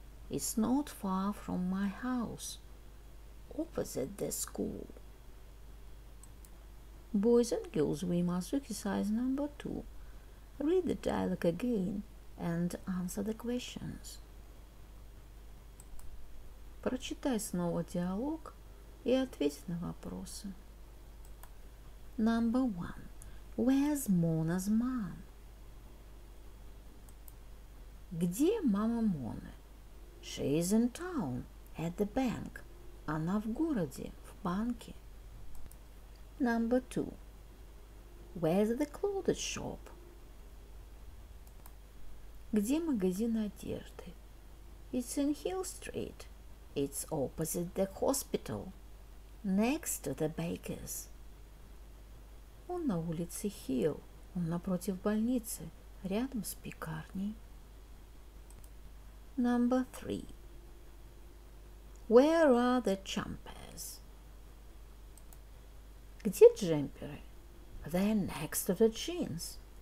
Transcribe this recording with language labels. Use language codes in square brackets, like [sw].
[en] It's not far from my house, opposite the school. Boys and girls, we must exercise number 2. Read the dialogue again and answer the questions. [ru] Прочитай снова диалог и ответь на вопросы. [en] Number 1. Where's Mona's mom? [ru] Где мама Моны? [en] She is in town, at the bank. [ru] Она в городе, в банке. [en] Number 2. Where's the clothes shop? [ru] Где магазин одежды? [en] It's in Hill Street. It's opposite the hospital, next to the baker's. [ru] Он на улице Хилл. Он напротив больницы, рядом с пекарней. [en] Number 3. Where are the jumpers? [ru] Где джемперы? [en] They're next to the jeans.